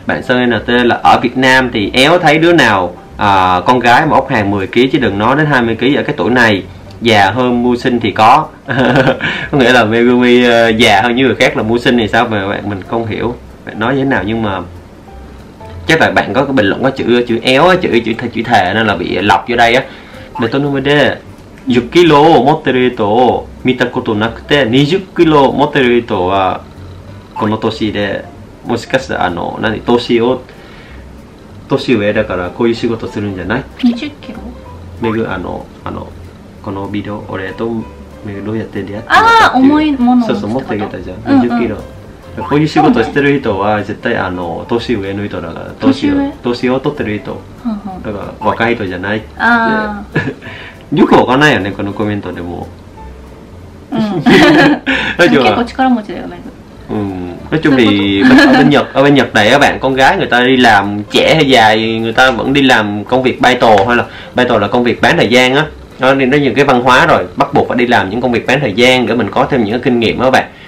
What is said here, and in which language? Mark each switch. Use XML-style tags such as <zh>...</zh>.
<vi>Bạn Sơn NT là ở Việt Nam thì éo thấy đứa nào con gái mà ốc hàng 10kg chứ đừng nói đến 20kg ở cái tuổi này. Già hơn mưu sinh thì có. Có nghĩa là Megumi già hơn những người khác là mưu sinh thì sao? Bạn mình không hiểu bạn nói như thế nào, nhưng mà chắc là bạn có cái bình luận có chữ éo, chữ thề nên là bị lọc vô đây á. Mà tôi nói đi</vi> <ja>10 kg を持ってる人を見たことなくて、20キロ持ってる人はこの年で、もしかしたらあの何年を年上だからこういう仕事するんじゃない？ 20キロ？めぐあのこのビデオ俺とめぐどうやって出会ったの？ああ重いものを持ってた。そうそう持ってきたじゃん。20キロ、うんうん。こういう仕事してる人は絶対あの年上の人だから年上年を取ってる人、うんうん、だから若い人じゃないって。 ああ。よくわかんないよね、このコメントでも。うん。結構力持ちだよね。うん。</ja> <vi>nói chung thì ở bên Nhật này các bạn, con gái người ta đi làm trẻ hay già người ta vẫn đi làm công việc bai tổ, hay là bai tổ là công việc bán thời gian á. Nó đi nó những cái văn hóa rồi, bắt buộc phải đi làm những công việc bán thời gian để mình có thêm những cái kinh nghiệm á bạn.</vi>